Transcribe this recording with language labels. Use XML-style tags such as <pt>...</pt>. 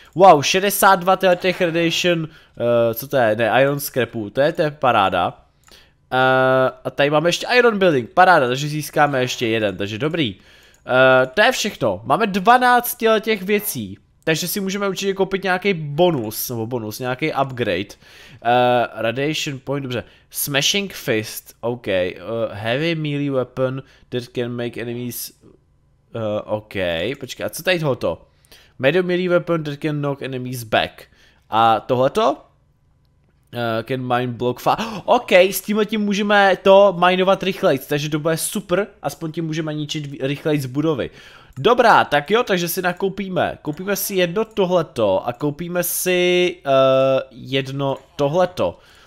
<cs>Wow, 62 těch radiation, co to je, ne, iron scrapů, to je paráda. A tady máme ještě iron building, paráda, takže získáme ještě jeden, takže dobrý. To je všechno, máme 12 těch věcí. Takže si můžeme určitě koupit nějaký bonus, nebo bonus, nějaký upgrade. Radiation point, dobře. Smashing fist, ok.</cs> <en>Heavy melee weapon that can make enemies...</en> <cs>ok, počkej, a co tady tohoto?</cs> <en>Medium melee weapon that can knock enemies back.</en> <cs>A tohleto?</cs> <en>Can mine block fa...</en> <cs>Ok, s tímhletím můžeme to minovat rychlejc, takže to bude super. Aspoň tím můžeme ničit rychlejc budovy. Dobrá, tak jo, takže si nakoupíme. Koupíme si jedno tohleto a koupíme si jedno tohleto.</cs>